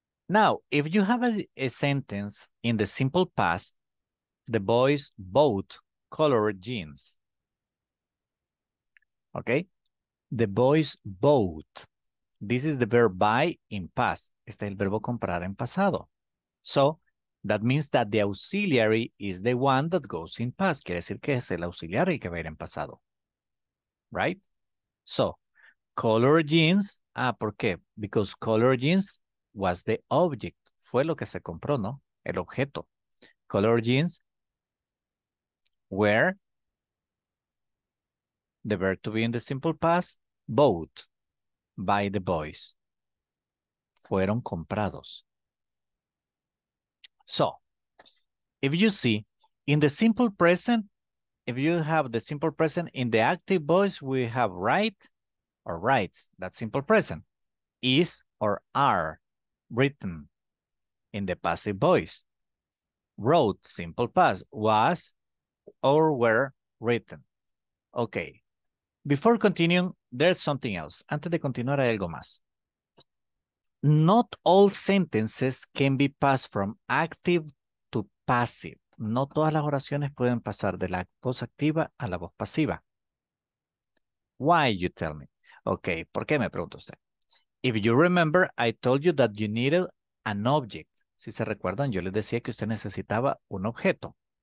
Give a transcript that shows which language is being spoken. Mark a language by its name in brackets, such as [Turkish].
[English] Now, if you have a sentence in the simple past, the boys bought colored jeans, okay? The boys bought. This is the verb buy in past. [Spanish] Este es el verbo comprar en pasado. [English] So, that means that the auxiliary is the one that goes in past. [Spanish] Quiere decir que es el auxiliar el que va a ir en pasado. [English] Right? So, color jeans. Ah, [Spanish] ¿por qué? [English] Because color jeans was the object. [Spanish] Fue lo que se compró, ¿no? El objeto. [English] Color jeans were the verb to be in the simple past, bought by the boys. [Spanish] Fueron comprados. [English] So, if you see, in the simple present, if you have the simple present in the active voice, we have write or writes, that simple present, is or are written in the passive voice. Wrote, simple past, was or were written. Okay, before continuing, there's something else. [Spanish] Antes de continuar, hay algo más. [English] Not all sentences can be passed from active to passive. [Spanish] No todas las oraciones pueden pasar de la voz activa a la voz pasiva. [English] Why, you tell me? Okay, [Spanish] ¿por qué me pregunta usted? [English] If you remember, I told you that you needed an object. [Spanish] Si se recuerdan, yo les decía que usted necesitaba un objeto.